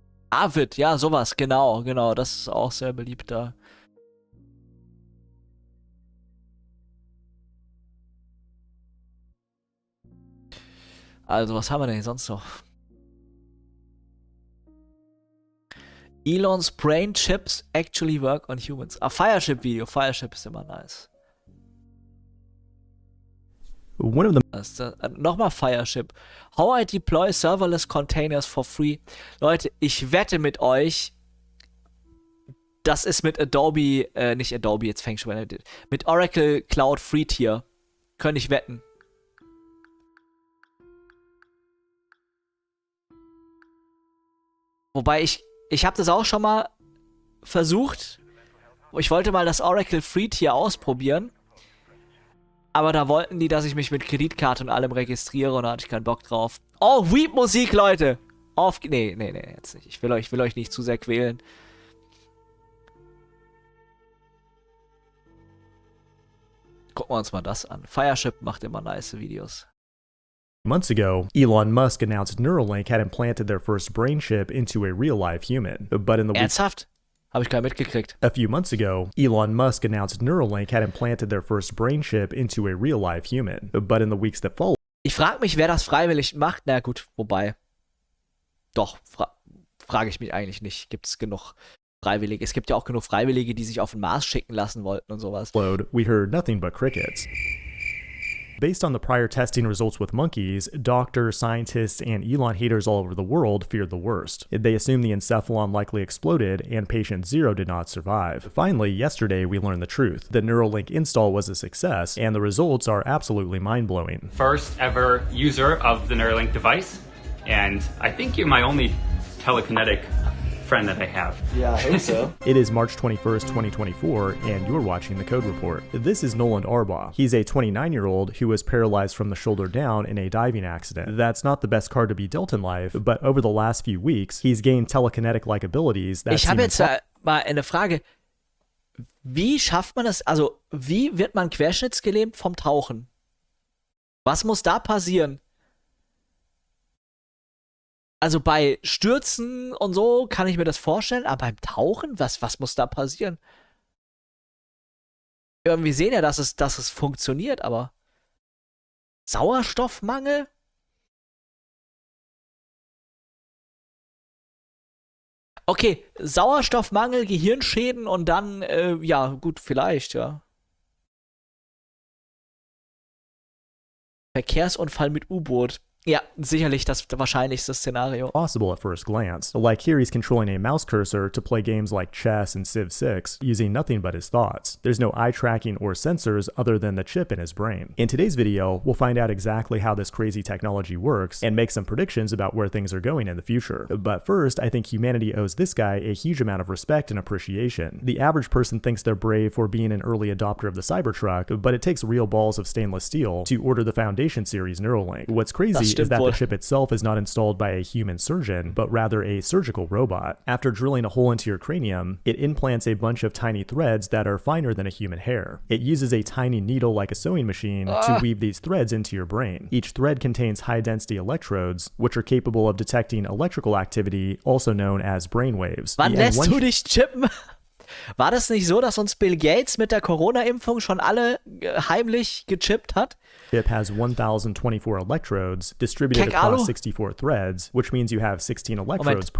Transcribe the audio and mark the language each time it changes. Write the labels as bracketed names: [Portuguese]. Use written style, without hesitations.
[German] Avid, ja, sowas, genau, das ist auch sehr beliebt da. Also, was haben wir denn hier sonst noch? [English] Elon's Brain Chips actually work on humans. [German] A Fireship Video, Fireship ist immer nice. [English] One of the [German] Nochmal Fireship. [English] How I deploy serverless containers for free. [German] Leute, ich wette mit euch, das ist mit Adobe, nicht Adobe, jetzt fängt schon an. Mit Oracle Cloud Free Tier. Könnte ich wetten. Wobei ich habe das auch schon mal versucht. Ich wollte mal das Oracle Free Tier ausprobieren. Aber da wollten die, dass ich mich mit Kreditkarte und allem registriere und da hatte ich keinen Bock drauf. Oh, Weep-Musik, Leute! Nee, jetzt nicht. Ich will euch nicht zu sehr quälen. Gucken wir uns mal das an. Fireship macht immer nice Videos. [English] Months ago, Elon Musk announced Neuralink had implanted their first brain chip into a real-life human. But in the [German] Ernsthaft? Habe ich gar mitgekriegt. [English] A few months ago, Elon Musk announced Neuralink had implanted their first brain chip into a real-life human. But in the weeks that followed... [German] Ich frage mich, wer das freiwillig macht. Na gut, wobei... Doch, frage ich mich eigentlich nicht. Gibt es genug Freiwillige? Es gibt ja auch genug Freiwillige, die sich auf den Mars schicken lassen wollten und sowas. [English] We heard nothing but crickets. Based on the prior testing results with monkeys, doctors, scientists, and Elon haters all over the world feared the worst. They assumed the encephalon likely exploded, and patient zero did not survive. Finally, yesterday, we learned the truth. The Neuralink install was a success, and the results are absolutely mind-blowing. First ever user of the Neuralink device, and I think you're my only telekinetic friend that I have. Yeah, I hope so. It is March 21st, 2024, and you're watching The Code Report. This is Nolan Arbaugh. He's a 29-year-old who was paralyzed from the shoulder down in a diving accident. That's not the best card to be dealt in life, but over the last few weeks, he's gained telekinetic-like abilities that seem... [German] Ich habe jetzt mal eine Frage. Wie schafft man das? Also, wie wird man querschnittsgelähmt vom Tauchen? Was muss da passieren? Also bei Stürzen und so kann ich mir das vorstellen, aber beim Tauchen, was muss da passieren? Irgendwie sehen ja, dass es funktioniert, aber Sauerstoffmangel? Okay, Sauerstoffmangel, Gehirnschäden und dann, ja gut, vielleicht, ja. Verkehrsunfall mit U-Boot. Ja, sicherlich das wahrscheinlichste Szenario. [English] Possible at first glance. Like here he's controlling a mouse cursor to play games like chess and Civ 6 using nothing but his thoughts. There's no eye tracking or sensors other than the chip in his brain. In today's video, we'll find out exactly how this crazy technology works and make some predictions about where things are going in the future. But first, I think humanity owes this guy a huge amount of respect and appreciation. The average person thinks they're brave for being an early adopter of the Cybertruck, but it takes real balls of stainless steel to order the Foundation Series Neuralink. What's crazy... That's is that the chip itself is not installed by a human surgeon, but rather a surgical robot. After drilling a hole into your cranium, it implants a bunch of tiny threads that are finer than a human hair. It uses a tiny needle like a sewing machine to weave these threads into your brain. Each thread contains high-density electrodes, which are capable of detecting electrical activity, also known as brain waves. [German] Wann lässt du dich chippen? War das nicht so, dass uns Bill Gates mit der Corona-Impfung schon alle heimlich gechippt hat? [English] Chip has 1024 electrodes distributed Keck across 64 threads, which means you have 16 electrodes